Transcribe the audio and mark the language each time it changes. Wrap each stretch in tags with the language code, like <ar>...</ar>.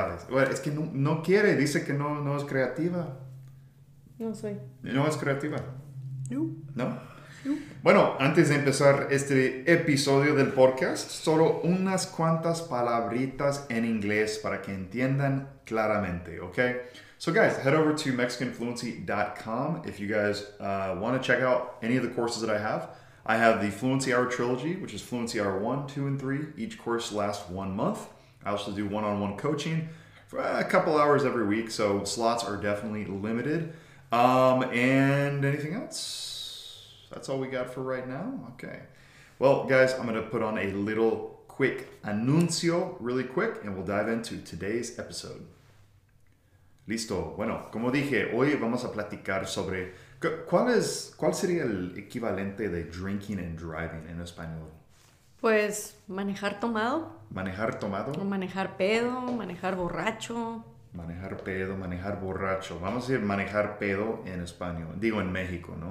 <es>Bueno, es que no quiere, dice que no es creativa. No soy. ¿No es creativa? No. ¿No? Bueno, antes de empezar este episodio del podcast, solo unas cuantas palabritas en inglés para que entiendan claramente, ¿ok?</es> <en>So guys, head over to MexicanFluency.com if you guys want to check out any of the courses that I have. I have the Fluency Hour Trilogy, which is Fluency Hour 1, 2, and 3. Each course lasts 1 month. I also do one-on-one coaching for a couple hours every week, so slots are definitely limited. And anything else? That's all we got for right now? Okay. Well, guys, I'm going to put on a little quick anuncio really quick, and we'll dive into today's episode.</en> <es>Listo. Bueno, como dije, hoy vamos a platicar sobre... ¿Cuál sería el equivalente de</es> <en>drinking and driving</en> <es>en español? Pues, manejar tomado. ¿Manejar tomado? O manejar pedo, manejar borracho. Manejar pedo, manejar borracho. Vamos a decir manejar pedo en español. Digo, en México, ¿no?</es>